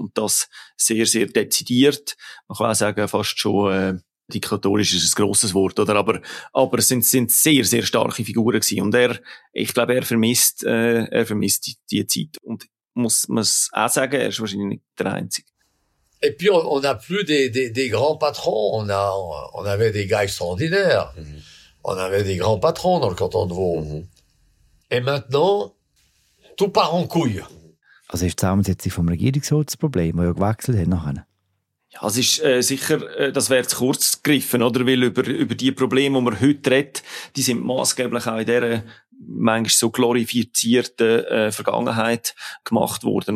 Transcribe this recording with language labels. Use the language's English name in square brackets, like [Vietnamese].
[German] Und das sehr, sehr dezidiert. Man kann auch sagen, fast schon diktatorisch ist ein grosses Wort, oder? Aber es sind sehr, sehr starke Figuren gewesen. Und er vermisst die Zeit. Und muss man es auch sagen, er ist wahrscheinlich nicht der Einzige. [French] Et puis, on n'a plus des grands patrons. On avait des gars extraordinaires. On avait des grands patrons dans le canton de Vaud. Et maintenant, tout part en couille. [German] Also ist die Zusammensetzung vom Regierungsrat das Problem, das ja gewechselt hat nachher? Ja, es ist sicher, das wäre zu kurz gegriffen, oder? Weil über die Probleme, die man heute redet, die sind maßgeblich auch in dieser manchmal so glorifizierten Vergangenheit gemacht worden.